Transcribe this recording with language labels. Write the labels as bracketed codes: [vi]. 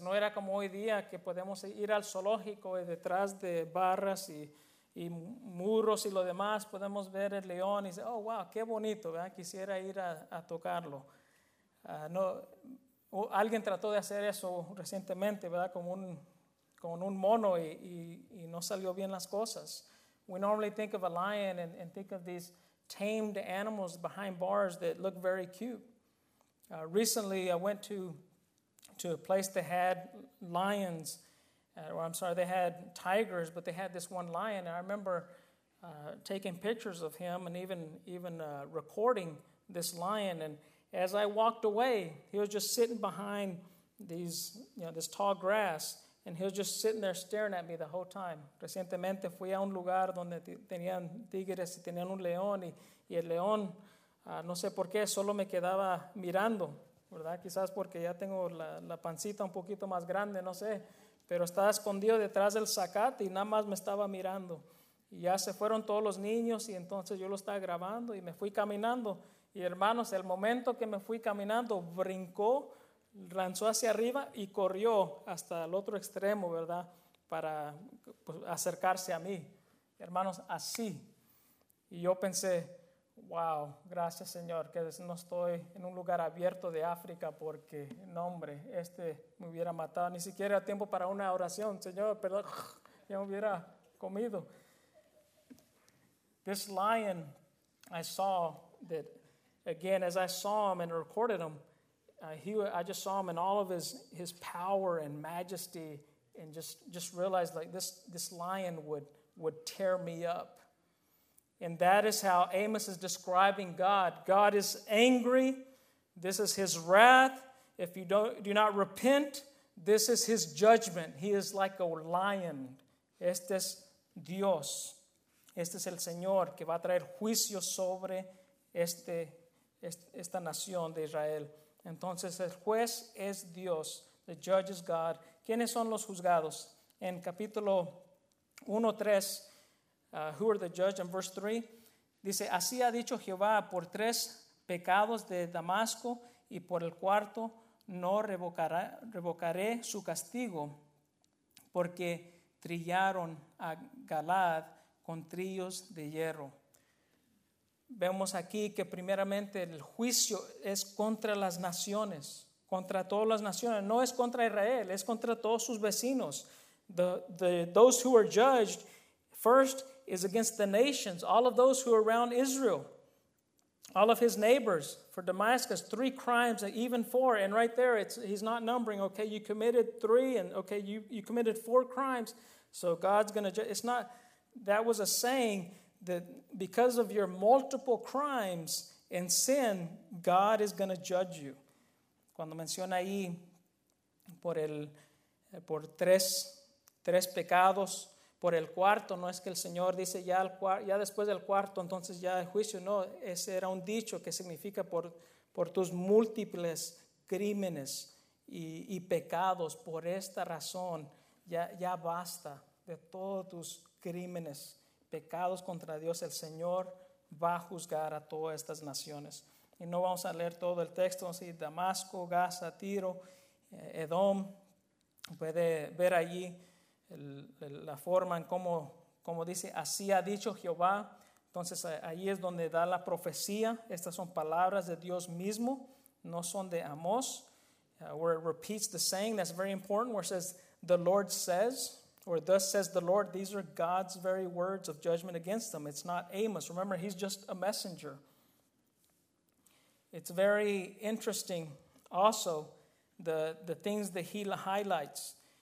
[es] No era como hoy día que podemos ir al zoológico y detrás de barras y muros y lo demás podemos ver el león y decir, oh, wow, qué bonito, ¿verdad? Quisiera ir a tocarlo. No, alguien trató de hacer eso recientemente, ¿verdad? Con un mono y no salió bien las cosas. [en] We normally think of a lion and think of these tamed animals behind bars that look very cute. Recently, I went to a place that had lions, they had tigers, but they had this one lion. And I remember taking pictures of him and even recording this lion. And as I walked away, he was just sitting behind this tall grass, and he was just sitting there staring at me the whole time. [es] Recientemente fui a un lugar donde tenían tigres y tenían un león, y el león, no sé por qué, solo me quedaba mirando, ¿verdad? Quizás porque ya tengo la pancita un poquito más grande, no sé. Pero estaba escondido detrás del zacate y nada más me estaba mirando. Y ya se fueron todos los niños y entonces yo lo estaba grabando y me fui caminando. Y hermanos, el momento que me fui caminando, brincó, lanzó hacia arriba y corrió hasta el otro extremo, ¿verdad? Para pues, acercarse a mí. Hermanos, así. Y yo pensé, wow, gracias Señor, que no estoy en un lugar abierto de África porque, no hombre, este me hubiera matado. Ni siquiera era tiempo para una oración. Señor, perdón, ya me hubiera comido. [en] This lion, I saw that, again, as I saw him and recorded him, I just saw him in all of his power and majesty and just realized like this lion would tear me up. And that is how Amos is describing God. God is angry. This is his wrath. If you do not repent, this is his judgment. He is like a lion. Este es Dios. [es] Este es el Señor que va a traer juicio sobre esta nación de Israel. Entonces el juez es Dios. The judge is God. ¿Quiénes son los juzgados? En capítulo 1:3. Who are the judge? In verse 3, dice, así ha dicho Jehová, por tres pecados de Damasco, y por el cuarto no revocaré su castigo, porque trillaron a Galaad con trillos de hierro. Vemos aquí que primeramente el juicio es contra las naciones, contra todas las naciones. No es contra Israel, es contra todos sus vecinos. [en] Those who are judged, first, is against the nations, all of those who are around Israel, all of his neighbors. For Damascus, three crimes, even four. And right there, he's not numbering. Okay, you committed three, and okay, you committed four crimes. So God's going to judge. It's not, that was a saying that because of your multiple crimes and sin, God is going to judge you. [es] Cuando menciona ahí por tres pecados, por el cuarto, no es que el Señor dice ya después del cuarto, entonces ya el juicio, no, ese era un dicho que significa por tus múltiples crímenes y pecados, por esta razón, ya basta de todos tus crímenes, pecados contra Dios, el Señor va a juzgar a todas estas naciones. Y no vamos a leer todo el texto, vamos a decir Damasco, Gaza, Tiro, Edom, puede ver allí, la forma en cómo dice, así ha dicho Jehová. Entonces ahí es donde da la profecía. Estas son palabras de Dios mismo, no son de Amós. [en] Where it repeats the saying, that's very important, where it says, the Lord says, or thus says the Lord. These are God's very words of judgment against them. It's not Amos. Remember, he's just a messenger. It's very interesting also, the things that he highlights.